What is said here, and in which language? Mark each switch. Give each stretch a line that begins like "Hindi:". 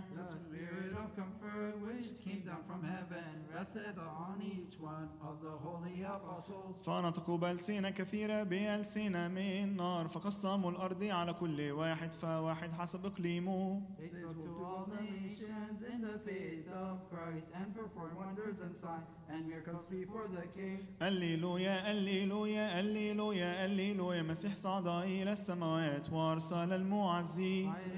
English: The spirit of comfort which came down from heaven rested on each one of the holy apostles.
Arabic: فنطقوا بألسنة كثيرة بألسنة من نار فقسموا الأرض على كل واحد فواحد حسب إقليمه.
English: They spoke to all nations in the faith of Christ and performed wonders and signs and miracles before the kings.
Arabic: أليلويا أليلويا أليلويا أليلويا مسيح صعد إلى السماوات وأرسل المعزي.